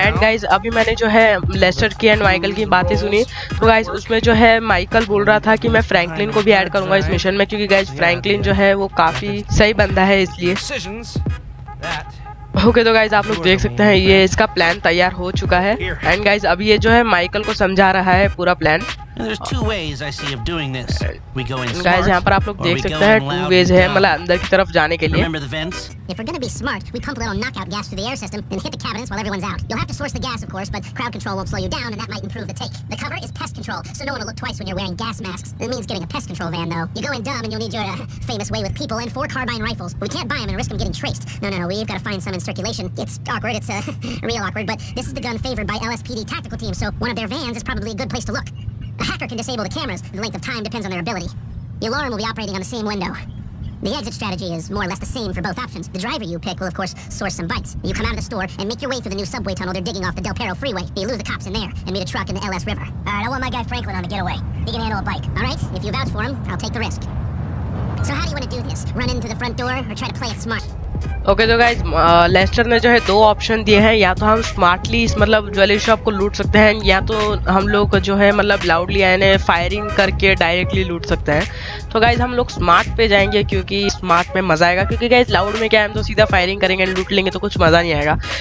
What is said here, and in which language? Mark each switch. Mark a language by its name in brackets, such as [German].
[Hindi] And guys अभी मैंने जो है लेस्टर की एंड माइकल की बातें सुनी, तो गाइस उसमें जो है माइकल बोल रहा था कि मैं फ्रैंकलिन को भी ऐड करूंगा इस मिशन में, क्योंकि गाइस फ्रैंकलिन जो है वो काफी सही बंदा है इसलिए. ओके तो गाइस आप लोग देख सकते हैं ये इसका प्लान तैयार हो चुका है. एंड गाइस अभी ये जो है माइकल को समझा रहा है पूरा प्लान. गाइस यहां पर आप लोग देख सकते हैं टू वेज है मतलब अंदर की तरफ जाने के लिए. [English] If we're gonna be smart, we pump a little knockout gas through the air system and hit the cabinets while everyone's out. You'll have to source the gas, of course, but crowd control won't slow you down, and that might improve the take. The cover is pest control, so no one will look twice when you're wearing gas masks. It means getting a pest control van, though. You go in dumb, and you'll need your famous way with people and four carbine rifles. We can't buy them and risk them getting traced. No. We've got to find some in circulation. It's awkward. It's real awkward. But this is the gun favored by LSPD tactical teams, so one of their vans is probably a good place to look. A hacker can disable the cameras. The length of time depends on their ability. The alarm will be operating on the same window. The exit strategy is more or less the same for both options. The driver you pick will, of course, source some bikes. You come out of the store and make your way through the new subway tunnel they're digging off the Del Perro freeway. You lose the cops in there and meet a truck in the LS River. All right, I want my guy Franklin on the getaway. He can handle a bike. All right, if you vouch for him, I'll take the risk. So how do you want to do this? Run into the front door or try to play it smart? [Hindi] Okay तो guys Lester ने जो है दो option दिए हैं, या तो हम स्मार्टली इस मतलब ज्वेलरी शॉप को लूट सकते हैं, या तो हम लोग जो है मतलब लाउडली यानी फायरिंग करके डायरेक्टली लूट सकते हैं. तो गाइज हम लोग स्मार्ट पे जाएंगे क्योंकि स्मार्ट में मज़ा आएगा, क्योंकि गाइज लाउड में क्या है हम तो सीधा फायरिंग करेंगे लूट लेंगे तो कुछ मज़ा नहीं आएगा.